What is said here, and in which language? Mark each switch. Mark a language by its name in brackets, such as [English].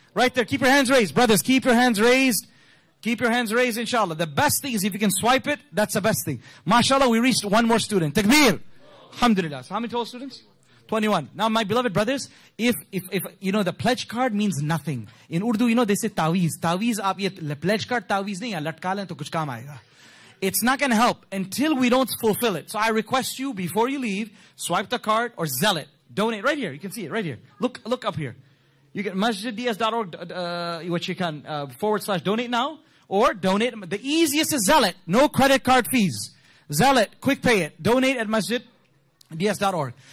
[English] Right there. Keep your hands raised. Brothers, keep your hands raised. Keep your hands raised, inshallah. The best thing is if you can swipe it, that's the best thing. MashaAllah, we reached one more student. Takbir. Alhamdulillah. So how many total students? 21. Now, my beloved brothers, if you know, the pledge card means nothing. In Urdu, you know, they say taweez. [Urdu] تعویذ، آپ یہ pledge card تعویذ نہیں ہے۔ لٹکا لے تو کچھ کام آئے گا۔ [English] It's not going to help until we don't fulfill it. So I request you, before you leave, swipe the card or zell it. Donate right here. You can see it right here. Look up here. You get masjiddiaz.org, which you can, /donate now. Or donate. The easiest is zell it. No credit card fees. Zell it. Quick pay it. Donate at masjid. DS.org.